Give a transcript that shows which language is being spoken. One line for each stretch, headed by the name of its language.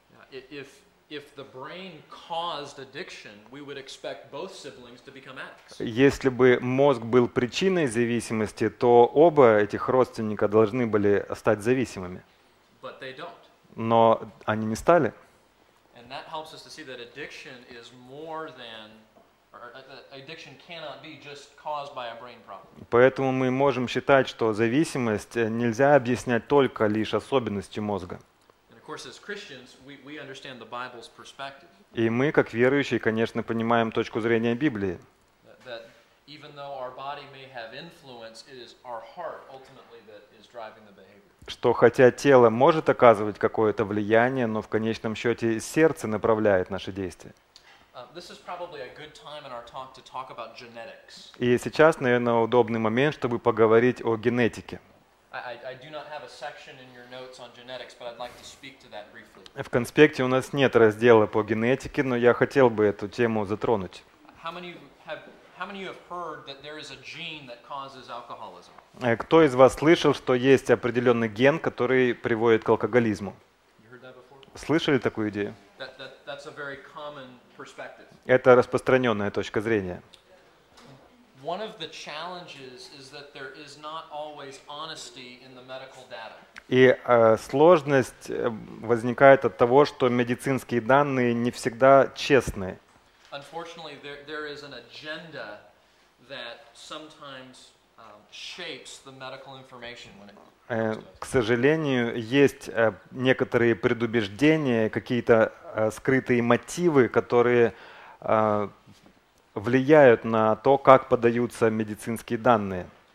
Russian: Если бы мозг был причиной зависимости, то оба этих родственника должны были стать зависимыми. Но они не стали.
English: And that helps us to see that addiction is more than. Addiction cannot be just caused by a brain problem.
Russian: Поэтому мы можем считать, что зависимость нельзя объяснять только лишь особенностью мозга.
English: And of course, as Christians, we understand the Bible's perspective.
Russian: И мы, как верующие, конечно, понимаем точку зрения Библии.
English: That even though our body may have influence, it is our heart ultimately that is driving the behavior.
Russian: Что хотя тело может оказывать какое-то влияние, но в конечном счете сердце направляет наши действия.
English: This is probably a good time in our talk to talk about genetics.
Russian: И сейчас, наверное, удобный момент, чтобы поговорить о генетике.
English: I do not have a section in your notes on genetics, but I'd like to speak to that briefly.
Russian: В конспекте у нас нет раздела по генетике, но я хотел бы эту тему затронуть.
English: How many have heard that there is a gene that causes alcoholism?
Russian: Кто из вас слышал, что есть определенный ген, который приводит к алкоголизму?
English: You heard that
Russian: слышали такую идею?
English: That's a very common perspective.
Russian: Это распространенная точка зрения.
English: One of the challenges is that there is not always honesty in the medical data.
Russian: И сложность возникает от того, что медицинские данные не всегда честны.
English: Unfortunately, there is an agenda that sometimes shapes the medical information when it comes to it.
Russian: К сожалению, есть некоторые предубеждения, какие-то скрытые мотивы, которые влияют на то, как подаются медицинские данные.